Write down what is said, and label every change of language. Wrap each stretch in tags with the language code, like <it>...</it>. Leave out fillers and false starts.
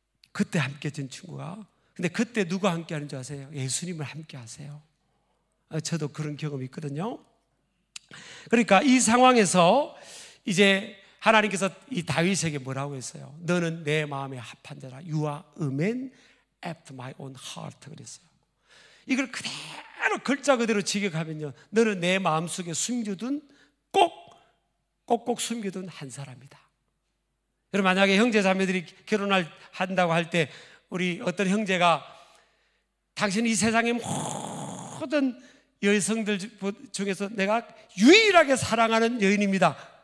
<ko>그때 함께 준 친구가. 근데 그때 누가 함께 하는 줄 아세요? 예수님을 함께 하세요. 저도 그런 경험이 있거든요. 그러니까 이 상황에서 이제 하나님께서 이 다윗에게 뭐라고 했어요? 너는 내 마음에 합한 자라.</ko> <en>You are a man after my own heart</en> <ko>그랬어요. 이걸 그대로 글자 그대로 직역하면요, 너는 내 마음속에 숨겨둔, 꼭꼭 숨겨둔 한 사람이다. 여러분 만약에 형제 자매들이 결혼을 한다고 할 때 우리 어떤 형제가 당신 이 세상의 모든 여성들 중에서 내가 유일하게 사랑하는 여인입니다.</ko>